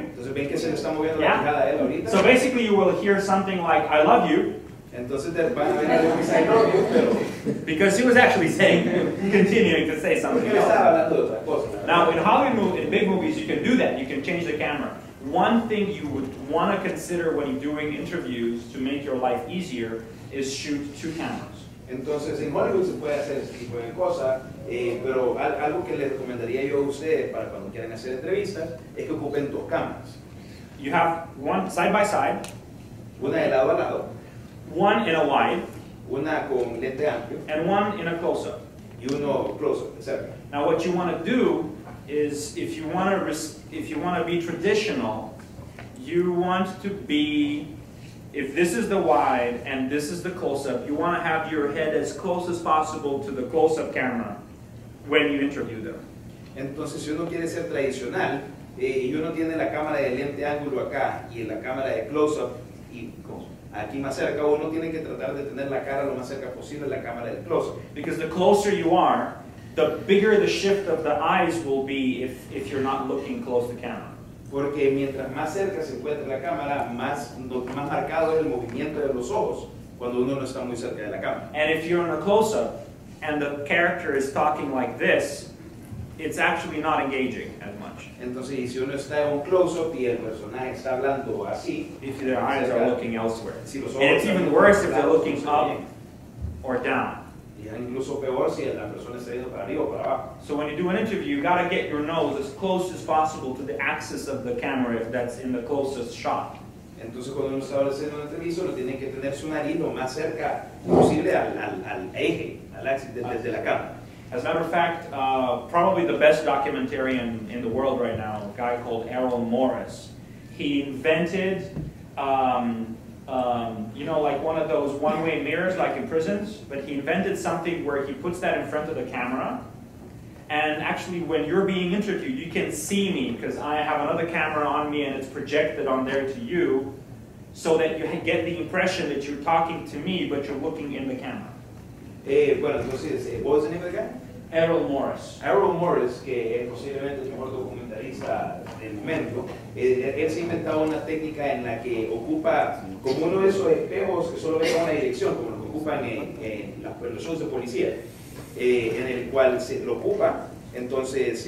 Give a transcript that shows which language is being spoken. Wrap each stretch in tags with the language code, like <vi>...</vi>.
<es>Entonces, ¿ven que se le está moviendo la quijada a él ahorita?</es> <en>So basically you will hear something like I love you.</en> <es>Entonces te van a ver algo que dice</es> <en>I love you,</en> <es>pero</es> <en>because he was actually saying continuing to say something.</en> <es>Porque estaba hablando de otra cosa.</es> <en>Now, in Hollywood movies, in big movies, you can do that. You can change the camera. One thing you would want to consider when you're doing interviews to make your life easier is shoot two cameras.</en> <es>Entonces, en Hollywood se puede hacer ese tipo de cosas, pero algo que les recomendaría yo a ustedes para cuando quieran hacer entrevistas es que ocupen dos cámaras.</es> <en>You have one side by side.</en> <es>Una de lado a lado.</es> <en>One in a wide.</en> <es>Una con lente amplio.</es> <en>And one in a close-up.</en> <es>Y uno close-up,</es> <en>exactly. Now what you want to do is, if you want to be traditional, you want to be, if this is the wide and this is the close-up, you want to have your head as close as possible to the close-up camera when you interview them.</en> <es>Entonces, si uno quiere ser tradicional, y uno tiene la cámara de lente ángulo acá y la cámara de close-up y aquí más cerca, uno tiene que tratar de tener la cara lo más cerca posible a la cámara de close-up.</es> <en>Because the closer you are, the bigger the shift of the eyes will be if you're not looking close to the camera.</en> <es>Porque mientras más cerca se encuentra la cámara, más marcado es el movimiento de los ojos cuando uno no está muy cerca de la cámara.</es> <en>And if you're in a close-up and the character is talking like this, it's actually not engaging as much.</en> <es>Entonces, si uno está en un close-up y el personaje está hablando así,</es> <en>if their eyes are looking elsewhere.</en> <es>Si los ojos</es> <en>and it's even worse if they're looking up or down.</en> <es>Incluso peor si la persona está yendo para arriba o para abajo.</es> <en>So when you do an interview, you gotta get your nose as close as possible to the axis of the camera if that's in the closest shot.</en> <es>Entonces cuando uno está haciendo una entrevista, uno tiene que tener su nariz lo más cerca posible al eje, al axis desde la cámara.</es> <en>As a matter of fact, probably the best documentarian in the world right now, a guy called Errol Morris, he invented, you know, like one of those one-way mirrors like in prisons, but he invented something where he puts that in front of the camera, and actually when you're being interviewed, you can see me because I have another camera on me and it's projected on there to you, so that you get the impression that you're talking to me, but you're looking in the camera.</en> <es>Bueno, entonces, ¿vos en el nombre de acá? Errol Morris. Errol Morris, que es posiblemente el mejor documentalista del momento, él se inventó una técnica en la que ocupa como uno de esos espejos que solo ve una dirección, como lo que ocupan en los shows de policía, en el cual se lo ocupa, entonces...</es>